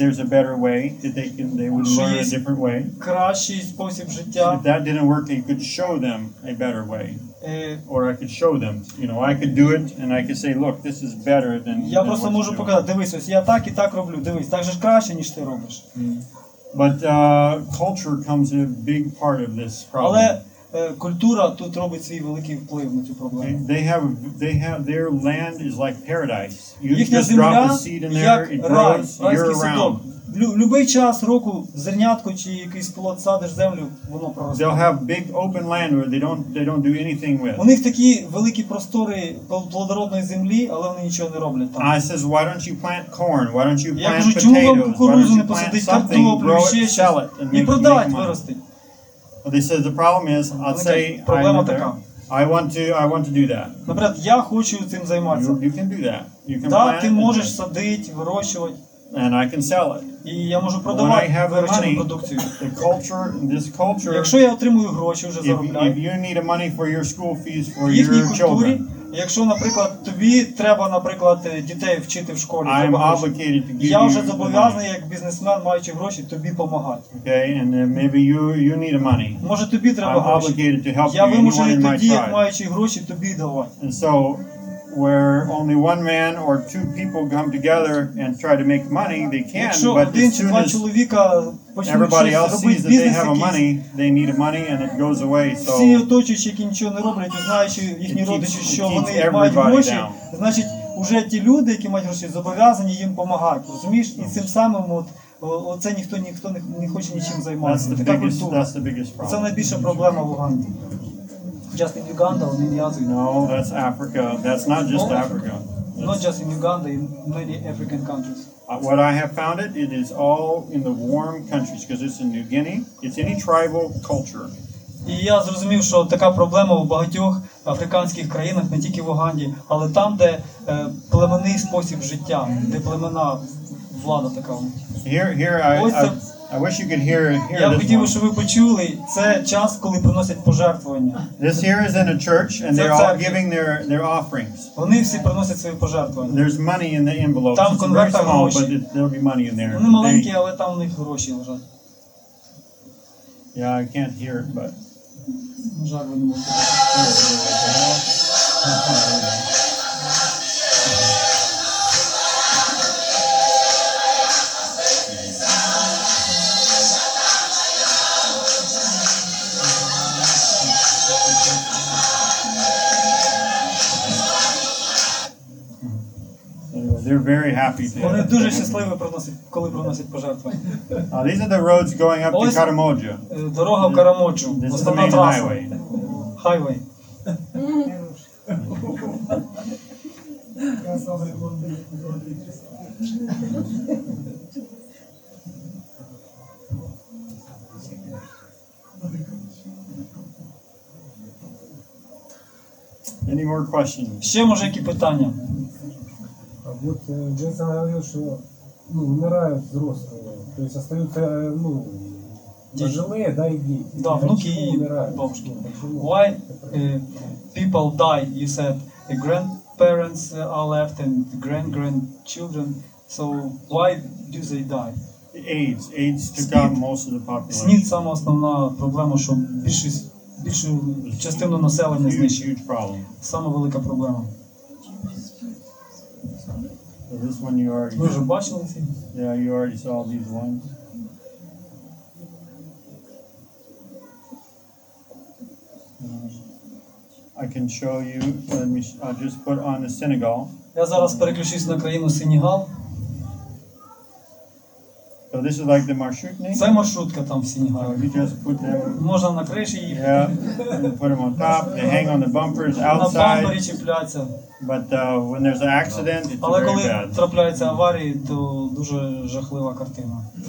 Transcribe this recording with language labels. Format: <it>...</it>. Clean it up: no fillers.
<en>there's a better way that they would learn a different way.</en> <uk>Кращий спосіб життя.</uk> <en>If that didn't work, you could show them a better way. Or I could show them, you know, I could do it and I could say, look, this is better than.</en> <uk>Я просто можу показати, дивись, ось я так і так роблю, дивись, так же ж краще, ніж ти робиш.</uk> <en>But culture comes a big part of this problem.</en> <uk>Культура тут робить свій великий вплив на цю проблему.</uk> <en>They have their land is like paradise. You</en> <uk>їхня</uk> <en>just drop a seed in there, it grows year round.</en> <uk>Будь-який час року зернятко чи якийсь плод садиш землю, воно проросте.</uk> <en>They'll have big open land where they don't do anything with.</en> <uk>У них такі великі простори плодородної землі, але вони нічого не роблять там.</uk> <en>I says, why don't you plant corn? Why don't you plant potatoes?</en> <uk>Чому вам кукурудзу не посадити, картоплю, ще щось? І продавати виростить.</uk> <en>Well, they said the problem is, I'd say, I want to do that.</en> <uk>Наприклад, я хочу цим займатися.</uk> <en>You can do that. You can</en> <uk>Так, ти можеш садити, вирощувати.</uk> <en>And I can sell it.</en> <uk>І я можу продавати виручену продукцію.</uk> <en>The culture, this culture.</en> <uk>Якщо я отримую гроші вже заробляю.</uk> <en>If you need money for your school fees for your children.</en> <uk>Їхній культурі, якщо, наприклад, тобі треба, наприклад, дітей вчити в школі, я вже зобов'язаний як бізнесмен, маючи гроші, тобі допомагати.</uk> <en>Okay, and maybe you need money.</en> <uk>Може тобі треба гроші.</uk> <en>I'm obligated to help you.</en> <uk>Я вимушений тоді, як маючи гроші, тобі давати.</uk> <en>And so where only one man or two people come together and try to make money, they can,</en> <uk>якщо</uk> <en>but</en> <uk>один,</uk> <en>as soon as</en> <uk>чоловіка,</uk> <en>everybody else sees that they have</en> <uk>якийсь</uk> <en>money, they need money and it goes away, so</en> <uk>всі оточуючі, які нічого не роблять, знаючи їхні родичі, що вони мають гроші, значить, уже ті люди, які мають гроші, зобов'язані їм допомагати, розумієш? І цим самим от, оце ніхто не хоче нічим займатися. Це найбільша проблема в Уганді.</uk> <en>Just in Uganda or in Yazoo? No, that's Africa. That's not just Africa. That's not just in Uganda, in many African countries. What I have found it is all in the warm countries, because it's in New Guinea. It's any tribal culture.</en> <uk>І я зрозумів, що така проблема у багатьох африканських країнах, не тільки в Уганді, але там, де племенний спосіб життя, де племена влада така. Я хотів, щоб ви почули, це час, коли приносять пожертвування.</uk> <en>This here is in a church and they're all giving their offerings.</en> <uk>Вони всі приносять свої пожертвування.</uk> <en>There's money in the envelopes.</en> <uk>Там конверти гроші.</uk> <en>But there'll be money in there.</en> <uk>Вони маленькі, але там у них гроші лежать.</uk> <en>Yeah, I can't hear it, but... They're very happy there.</en> <uk>Вони дуже щасливі приносять, коли приносять пожертвування.</uk> <en>These are the roads going up to Karamoja.</en> <uk>Дорога в Карамоджу.</uk> <en>This is the main</en> <uk>траса.</uk> <en>Highway. Highway. Any more questions?</en> <uk>Ще може які питання?</uk> <ru>Вот Джейсон говорил, что ну, умирают взрослые, то есть остаются ну, пожилые, да, и дети. Да, внуки и бабушки.</ru> <en>Why people die, you said, the grandparents are left and the grand-grandchildren, so why do they die? AIDS took out most of the population.</en> <ru>СНИД – сама основная проблема, что большую частину населения знищили.</ru> <en>Huge problem.</en> <ru>Самая великая проблема.</ru> <en>This one you already saw.</en> <uk>Ви вже бачили ці?</uk> <en>Yeah, you already saw these ones. I can show you, let me, I'll just put on the Senegal.</en> <uk>Я зараз переключусь на країну Сенегал.</uk> <en>So this is like the маршрутка?</en> <uk>Це маршрутка там в Сенегалі.</uk> <en>You just put them...</en> <uk>Можна на криші їх.</uk> <en>Yeah, and put them on top, they hang on the bumpers outside.</en> <uk>На бампері чіпляться.</uk> <en>But when there's an accident, it's</en> <uk>але</uk> <en>very</en> <uk>коли</uk> <en>bad.</en> <uk>Трапляється аварія, то дуже жахлива картина.</uk>